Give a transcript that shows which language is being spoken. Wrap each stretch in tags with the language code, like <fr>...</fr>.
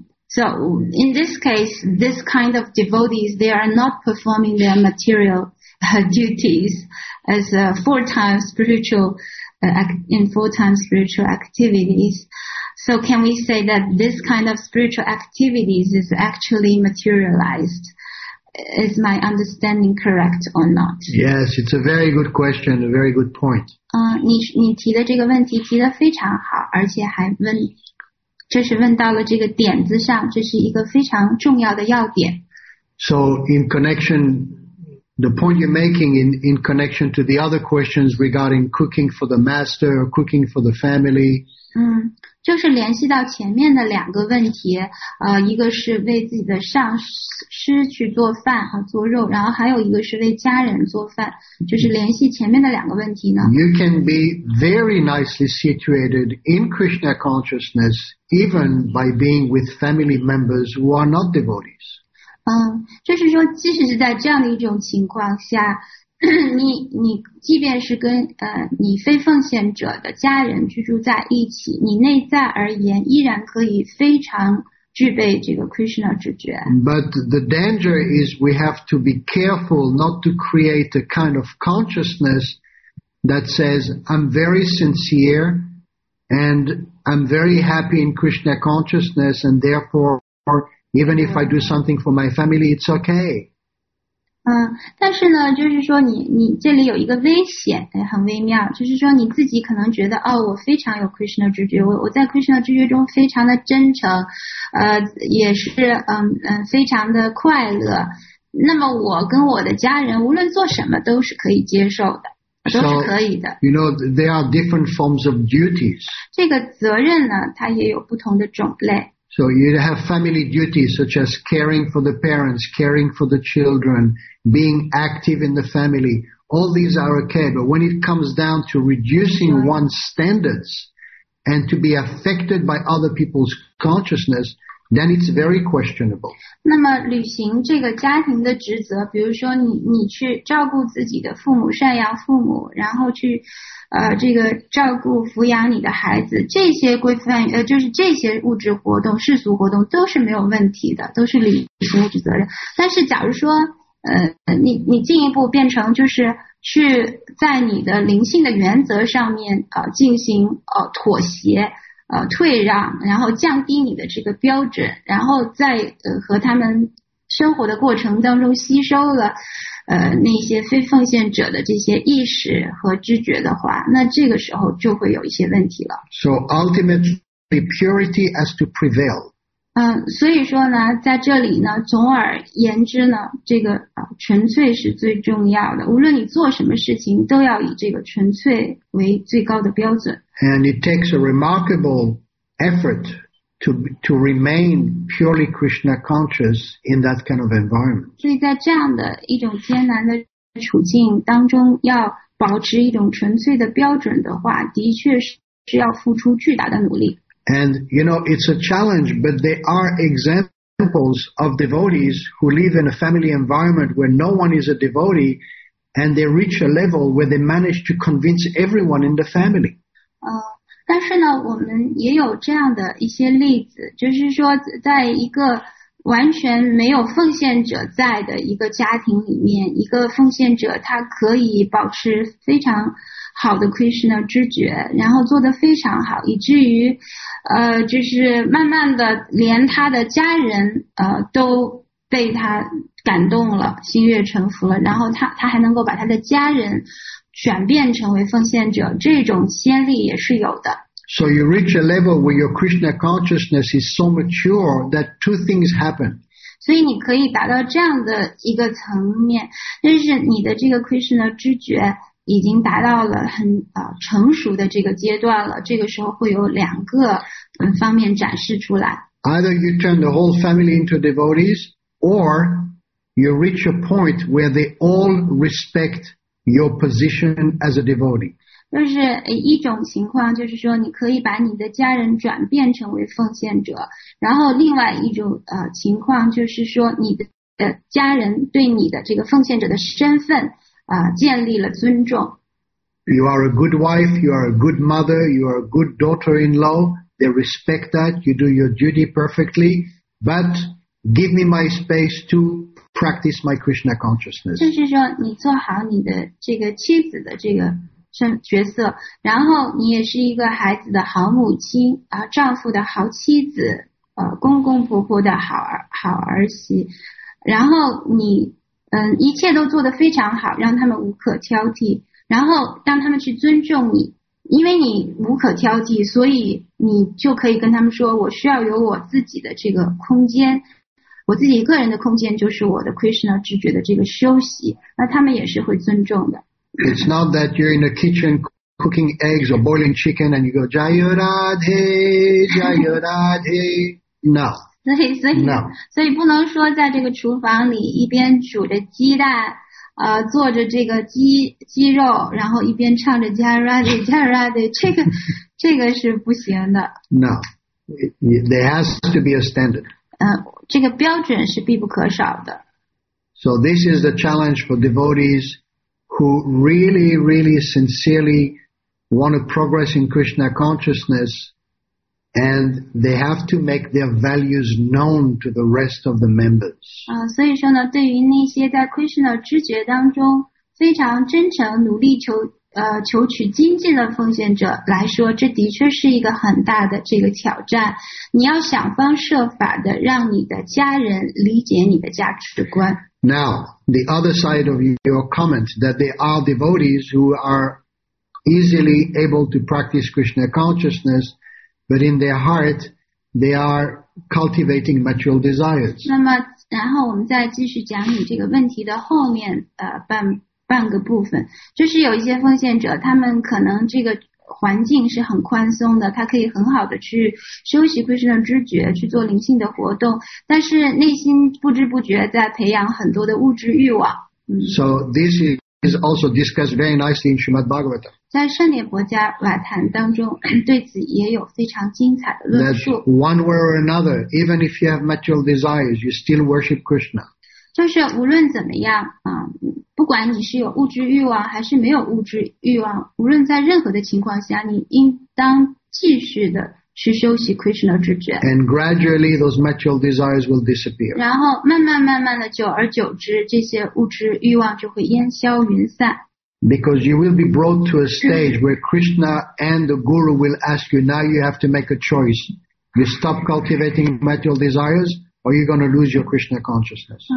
<en>So in this case, this kind of devotees, they are not performing their material duties as a full-time spiritual activities. So can we say that this kind of spiritual activities is actually materialized? Is my understanding correct or not? Yes, it's a very good question, a very good point.</en> <zh>你提的这个问题提得非常好，而且还问，就是问到了这个点子上，这是一个非常重要的要点。</zh> <en>So in connection, the point you're making in connection to the other questions regarding cooking for the master, or cooking for the family.</en> <zh>就是联系到前面的两个问题，一个是为自己的上师去做饭和做肉，然后还有一个是为家人做饭，就是联系前面的两个问题呢。</zh> <en>You can be very nicely situated in Krishna consciousness even by being with family members who are not devotees.</en> <zh>就是说即使是在这样的一种情况下，你即便是跟你非奉献者的家人居住在一起，你内在而言依然可以非常具备这个 Krishna 直觉。</zh> <en>But the danger is we have to be careful not to create a kind of consciousness that says I'm very sincere and I'm very happy in Krishna consciousness and therefore even if I do something for my family it's okay.</en> <zh>但是呢就是说你这里有一个危险，很微妙，就是说你自己可能觉得，哦，我非常有 Krishna 直觉，我在 Krishna 直觉中非常的真诚，也是非常的快乐，那么我跟我的家人无论做什么都是可以接受的，都是可以的。</zh> <en>So, you know, there are different forms of duties.</en> <zh>这个责任呢它也有不同的种类。</zh> <en>So you have family duties such as caring for the parents, caring for the children, being active in the family. All these are okay, but when it comes down to reducing one's standards and to be affected by other people's consciousness, then it's very questionable.</en> <zh>那么履行这个家庭的职责，比如说你去照顾自己的父母，赡养父母，然后去这个照顾抚养你的孩子，这些规范就是这些物质活动、世俗活动都是没有问题的，都是履行物质责任。但是假如说你进一步变成就是去在你的灵性的原则上面进行妥协退让，然后降低你的这个标准，然后在和他们生活的过程当中吸收了那些非奉献者的这些意识和知觉的话，那这个时候就会有一些问题了。</zh> <en>So ultimately purity has to prevail.</en> <zh>所以说呢在这里呢总而言之呢这个纯粹是最重要的，无论你做什么事情都要以这个纯粹为最高的标准。</zh> <en>And it takes a remarkable effort to remain purely Krishna conscious in that kind of environment.</en> <zh>所以在这样的一种艰难的处境当中要保持一种纯粹的标准的话，的确是要付出巨大的努力。</zh> <en>And, you know, it's a challenge, but there are examples of devotees who live in a family environment where no one is a devotee, and they reach a level where they manage to convince everyone in the family.</en> <zh>但是呢我们也有这样的一些例子，就是说在一个完全没有奉献者在的一个家庭里面，一个奉献者他可以保持非常好的 Krishna 知觉，然后做得非常好，以至于就是慢慢的连他的家人都被他感动了，心悦诚服了，然后他还能够把他的家人转变成为奉献者，这种先例也是有的。</zh> <en>So you reach a level where your Krishna consciousness is so mature that two things happen.</en> <zh>所以你可以达到这样的一个层面，就是你的这个 Krishna 知觉已经达到了很成熟的这个阶段了，这个时候会有两个方面展示出来。</zh> <en>Either you turn the whole family into devotees, or you reach a point where they all respect your position as a devotee.</en> <zh>就是一种情况，就是说你可以把你的家人转变成为奉献者，然后另外一种情况就是说你的家人对你的这个奉献者的身份建立了尊重。</zh> <en>You are a good wife, you are a good mother, you are a good daughter-in-law. They respect that. You do your duty perfectly, but give me my space to practice my Krishna consciousness.</en> <zh>就是说你做好你的这个妻子的这个角色，然后你也是一个孩子的好母亲啊，丈夫的好妻子，公公婆婆的好儿媳，然后你一切都做得非常好，让他们无可挑剔，然后让他们去尊重你，因为你无可挑剔，所以你就可以跟他们说，我需要有我自己的这个空间，我自己个人的空间就是我的 Krishna 知觉的这个休息，那他们也是会尊重的。</zh> <en>It's not that you're in the kitchen cooking eggs or boiling chicken and you go, Jaya Radhe, Jaya Radhe. No.</en> <zh>所以不能说在这个厨房里一边煮着鸡蛋做着这个鸡肉，然后一边唱着 Jaya Radhe, Jaya Radhe. 这个是不行的。</zh> <en>No. There has to be a standard.</en> <zh>这个标准是必不可少的。</zh> <en>So this is the challenge for devotees. Who really, really sincerely want to progress in Krishna consciousness, and they have to make their values known to the rest of the members.</en> <zh>所以说呢，对于那些在 Krishna 知觉当中非常真诚、努力求取精进的奉献者来说，这的确是一个很大的这个挑战。你要想方设法的让你的家人理解你的价值观。</zh> <en>Now, the other side of your comment that there are devotees who are easily able to practice Krishna consciousness, but in their heart, they are cultivating material desires.</en> <zh>那么，然后我们再继续讲你这个问题的后面半个部分，就是有一些奉献者，他们可能这个环境是很宽松的，他可以很好的去休息 Krishna 知觉，去做灵性的活动，但是内心不知不觉在培养很多的物质欲望。</zh> <en>So this is also discussed very nicely in Srimad Bhagavatam.</en> <zh>在圣涅薄伽瓦坛当中对此也有非常精彩的论述。</zh> <en>That one way or another, even if you have material desires, you still worship Krishna.</en> <zh>就是无论怎么样不管你是有物质欲望还是没有物质欲望，无论在任何的情况下，你应当继续的去修习 Krishna 知觉。</zh> <en>And gradually those material desires will disappear.</en> <zh>然后慢慢慢慢的，久而久之，这些物质欲望就会烟消云散。</zh> <en>Because you will be brought to a stage where Krishna and the Guru will ask you, now you have to make a choice. You stop cultivating material desires,Or you're going to lose your Krishna consciousness.</en>